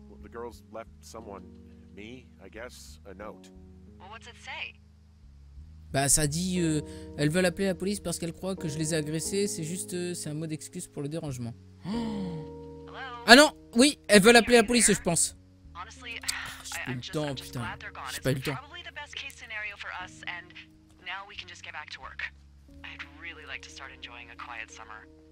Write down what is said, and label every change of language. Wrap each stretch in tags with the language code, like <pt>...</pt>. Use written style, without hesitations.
<en>Girls left someone, me, I guess, a note. Well, what's it say?</en> <fr>Bah, ça dit, elles veulent appeler la police parce qu'elles croient que je les ai agressées. C'est juste, c'est un mot d'excuse pour le dérangement.</fr> <en>Hello?</en> <fr>Ah non, oui, elles veulent appeler la police, je pense.</fr> <en>Honestly,</en> <fr>j'ai pas eu le temps, putain. J'ai pas eu le temps.</fr> <en>Probably the best case scenario for us, and now we can just get back to work. I'd really like to start enjoying a quiet summer.</en>